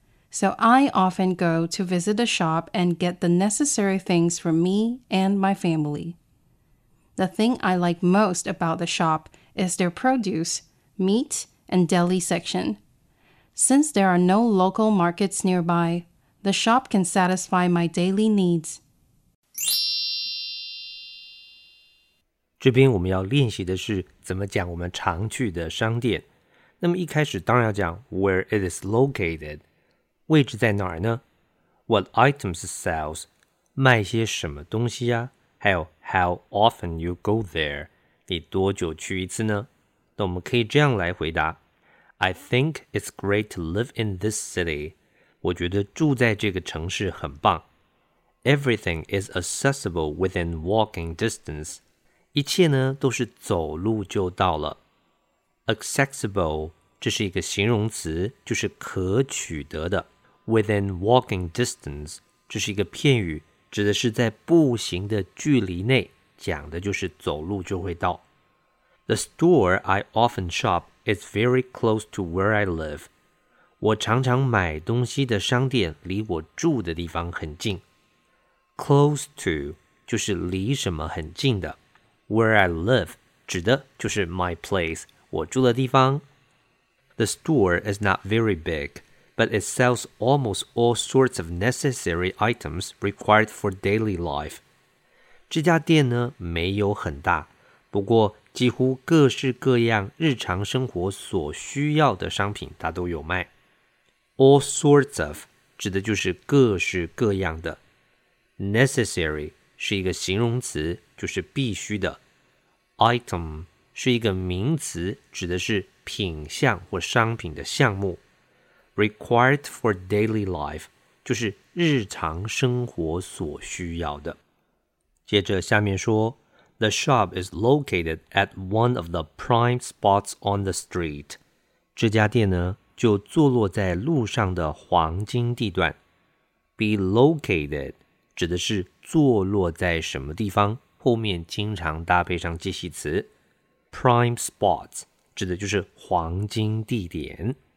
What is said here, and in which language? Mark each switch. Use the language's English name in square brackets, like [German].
[English] So I often go to visit the shop and get the necessary things for me and my family. The thing I like most about the shop is their produce, meat, and deli section. Since there are no local markets nearby, the shop can satisfy my daily needs. [Chinese] 这边我们要练习的是怎么讲我们常去的商店。那么一开始当然要讲 [English] where it is located. [Chinese] 位置在哪儿呢? [English] What items sells? [Chinese] 卖些什么东西啊? 还有 [English] how often you go there? [Chinese] 你多久去一次呢? 那我们可以这样来回答。 [English] I think it's great to live in this city. [Chinese] 我觉得住在这个城市很棒。 [English] Everything is accessible within walking distance. [Chinese] 一切呢都是走路就到了。 Accessible, 这是一个形容词,就是可取得的。 [English] Within walking distance, [Chinese] 这是一个片语,指的是在步行的距离内,讲的就是走路就会到。 [English] The store I often shop,It's very close to where I live. [Chinese] 我常常买东西的商店离我住的地方很近。 [English] Close to [Chinese] 就是离什么很近的。 [English] Where I live [Chinese] 指的就是 [English] my place, [Chinese] 我住的地方。 [English] The store is not very big, but it sells almost all sorts of necessary items required for daily life. [Chinese] 这家店呢没有很大，不过几乎各式各样日常生活所需要的商品它都有卖。 [English] All sorts of [Chinese] 指的就是各式各样的。 Necessary 是一个形容词，就是必须的。 Item 是一个名词，指的是品项或商品的项目。 [English] Required for daily life [Chinese] 就是日常生活所需要的。接着下面说 [English] The shop is located at one of the prime spots on the street. [Chinese] 这家店呢，就坐落在路上的黄金地段。 [English] Be located [Chinese] 指的是坐落在什么地方，后面经常搭配上介系词。 [English] Prime spots [Chinese] 指的就是黄金地点。